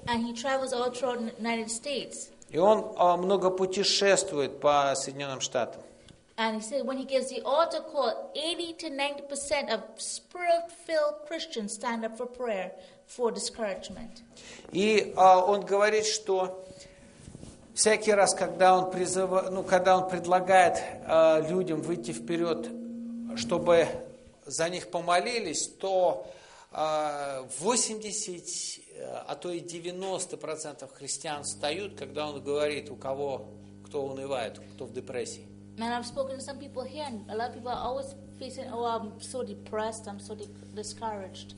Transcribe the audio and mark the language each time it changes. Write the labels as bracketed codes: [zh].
[en] And he travels all throughout the United States. [ru] И он много путешествует по Соединенным Штатам. [en] And he said, when he gives the altar call, 80-90% of spirit-filled Christians stand up for prayer. For discouragement. [ru] И он говорит, что всякий раз, когда он призывает, ну, когда он предлагает людям выйти вперед, чтобы за них помолились, то 80, а то и 90% христиан встают, когда он говорит, у кого, кто унывает, кто в депрессии. [en] And I've spoken to some people here, and a lot of people are always facing, oh, I'm so depressed, I'm so discouraged.